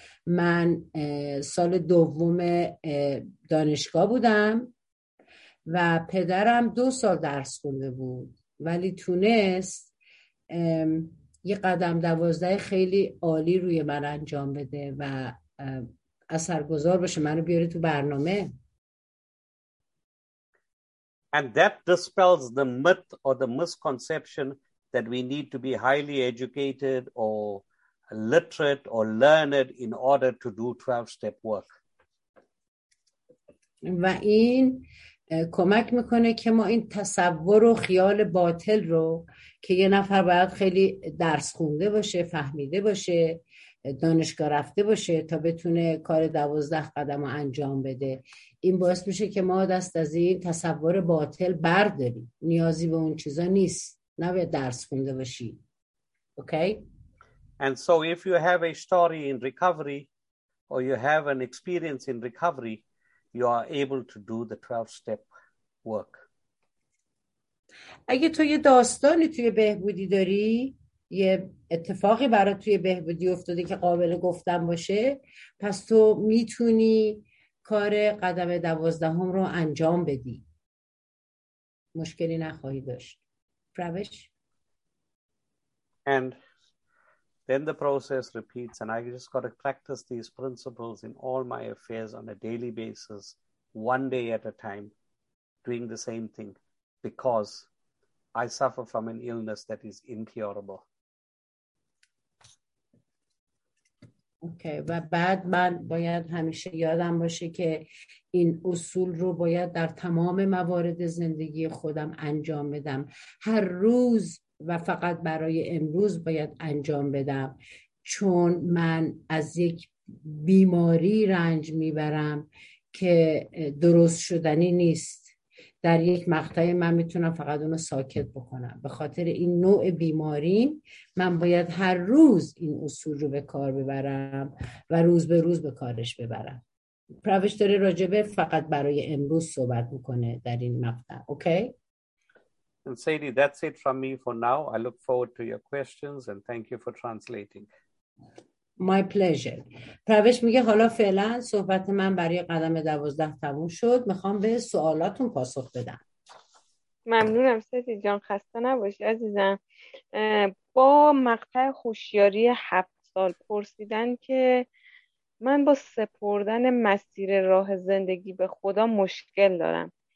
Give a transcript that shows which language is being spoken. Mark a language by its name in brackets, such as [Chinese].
[Persian] من سال دوم دانشگاه بودم و پدرم 2 سال درس خونده بود ولی تونست یه قدم 12 خیلی عالی روی من انجام بده و اثرگذار باشه منو بیاره تو برنامه. [English] And that dispels the myth or the misconception that we need to be highly educated or literate or learned in order to do 12 step work. [Persian] و این کمک میکنه که ما این تصور و خیال باطل رو که یه نفر باید خیلی درس خونده باشه، فهمیده باشه، دانشگاه رفته باشه تا بتونه کار 12 قدم رو انجام بده. این باعث میشه که ما دست از این تصور باطل برداریم. نیازی به اون چیزا نیست. نباید درس خونده باشی. Okay? [English] And so if you have a story in recovery or you have an experience in recovery, you are able to do the 12 step work. [Persian] اگه تو یه داستانی توی بهبودی داری، یه اتفاقی برات توی بهبودی افتاده که قابل گفتن باشه، پس تو میتونی کار قدم 12 رو انجام بدی. مشکلی نخواهی داشت. پروش. [English] And then the process repeats, and I just got to practice these principles in all my affairs on a daily basis, one day at a time, doing the same thing, because I suffer from an illness that is incurable. [Persian] Okay, و بعد من باید همیشه یادم باشه که این اصول رو باید در تمام موارد زندگی خودم انجام بدم. هر روز و فقط برای امروز باید انجام بدم چون من از یک بیماری رنج میبرم که درست شدنی نیست. در یک مقطعی من میتونم فقط اونو ساکت بکنم. به خاطر این نوع بیماری من باید هر روز این اصول رو به کار ببرم و روز به روز به کارش ببرم. پروش داره راجبه فقط برای امروز صحبت میکنه در این مقطع. اوکی؟ [English] And Sadie, that's it from me for now. I look forward to your questions and thank you for translating. My pleasure. [Persian] پروش میگه حالا فعلا صحبت من برای قدم 12 تموم شد. میخوام به سوالاتون پاسخ بدم. ممنونم ستی جان. خسته نباشی عزیزم. با مقطع هوشیاری 7 سال پرسیدن که من با سپردن مسیر راه زندگی به خدا مشکل دارم.